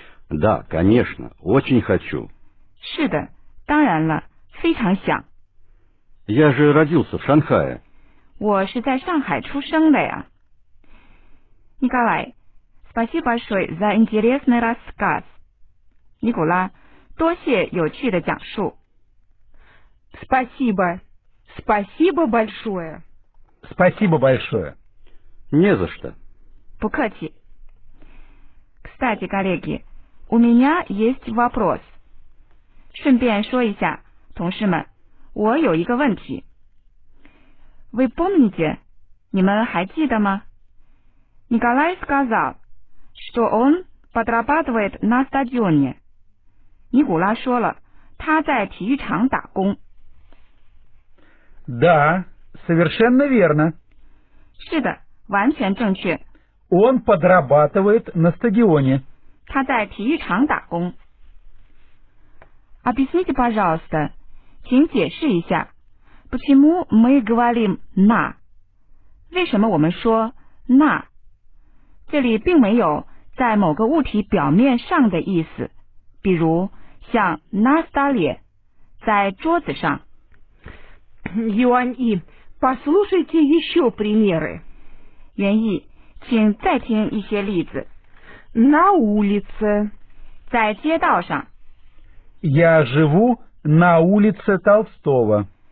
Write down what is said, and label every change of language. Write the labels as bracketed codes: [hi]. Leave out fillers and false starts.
[ru] Да, конечно, очень хочу. [zh] 是的，当然了，非常想。 [ru] Я же родился в Шанхае. [zh] 我是在上海出生的呀。 [ru] Николай,Спасибо большое за интересный рассказ. [zh] 尼古拉，多谢有趣的讲述。 [ru] Спасибо. Спасибо большое. Спасибо большое. Не за что. [zh] 不客气。 [ru] Кстати, коллеги, у меня есть вопрос. [zh] 顺便说一下，同事们，我有一个问题。 [ru] Вы помните? [zh] 你们还记得吗？ [ru] Николай сказал,что он подрабатывает на стадионе. [zh] 尼古拉说了，他在体育场打工。 [ru] Да, совершенно верно. [zh] 是的，完全正确。 [ru] Он подрабатывает на стадионе. [zh] 他在体育场打工。 [ru] Объясните, пожалуйста, [zh] 请解释一下, [ru] почему мы говорим на? [zh] 为什么我们说那？这里并没有在某个物体表面上的意思，比如像 [ru] на столе, [zh] 在桌子上。 [ru] Юань И, послушайте еще примеры. [zh] 袁毅，请再听一些例子。 [ru] На улице, [zh] 在街道上。 [ru] Я живу на улице Толстого.